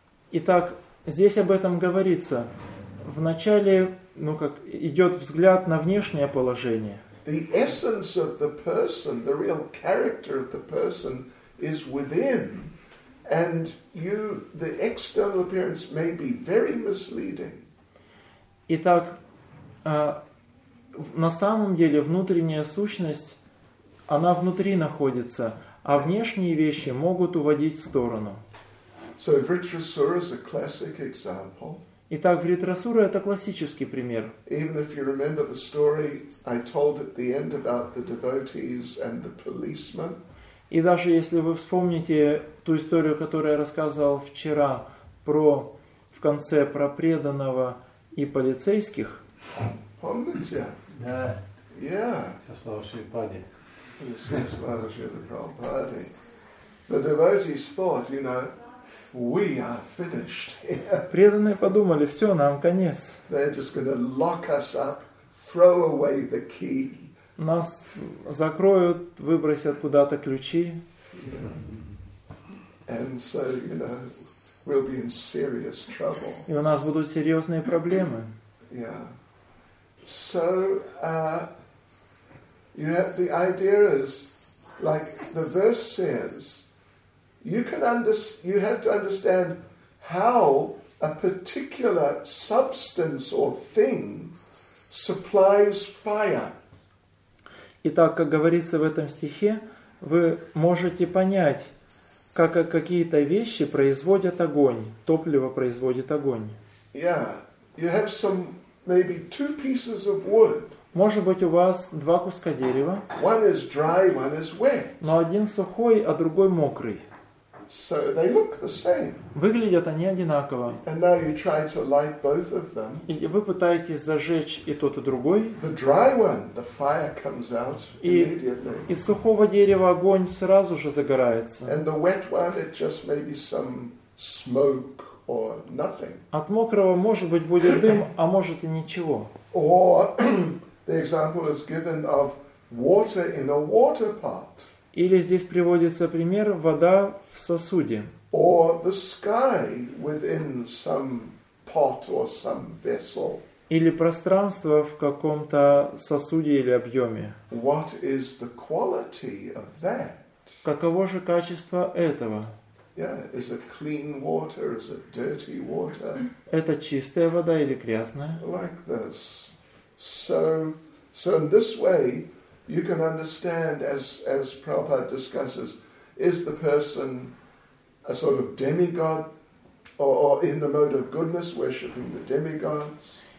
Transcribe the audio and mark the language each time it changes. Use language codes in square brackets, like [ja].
[ru] Итак, здесь об этом говорится. В начале, ну как, идет взгляд на внешнее положение. [en] The essence of the person, the real character of the person is within. And the external appearance may be very misleading. [ru] Итак, на самом деле внутренняя сущность, она внутри находится, а внешние вещи могут уводить в сторону. [en] So Vritrasura is a classic example. [ru] Итак, Вритрасура — это классический пример. [en] Even if you remember the story I told at the end about the devotees and the policemen. [ru] И даже если вы вспомните ту историю, которую я рассказывал вчера в конце про преданного и полицейских. Помните? Да. [en] Yeah. [ru] Со слова Шрипади. Со слова Шрипади. [en] The devotees thought, you know, we are finished here. [ru] Преданные подумали, все, нам конец. [en] They're just going to lock us up, throw away the key. [ru] Нас закроют, выбросят куда-то ключи. [en] And so, you know, we'll be in serious trouble. [ru] И у нас будут серьезные проблемы. [en] Yeah. So, you have the idea is, like the verse says, you have to understand how a particular substance or thing supplies fire. [ru] Итак, как говорится в этом стихе, вы можете понять, как какие-то вещи производят огонь, топливо производит огонь. [en] Yeah, you have some maybe two pieces of wood. [ru] Может быть, у вас два куска дерева. [en] One is dry, one is wet. [ru] Но один сухой, а другой мокрый. [en] So they look the same. [ru] Выглядят они одинаково. [en] And now you try to light both of them. [ru] И вы пытаетесь зажечь и тот, и другой. [en] The dry one, the fire comes out immediately. [ru] Из сухого дерева огонь сразу же загорается. [en] And the wet one, it just may be some smoke or nothing. [ru] От мокрого, может быть, будет дым, а может и ничего. [en] Or the example is given of water in a water pot. [ru] Или здесь приводится пример вода в сосуде. [en] Or the sky within some pot or some vessel. [ru] Или пространство в каком-то сосуде или объеме. [en] What is the quality of that? [ru] Каково же качество этого? [en] Yeah, is it clean water, is it dirty water? [ru] Это чистая вода или грязная? [en] Like this. So in this way, you can understand, as Prabhupada discusses, is the person a sort of demigod, or in the mode of goodness, worshipping the demigods?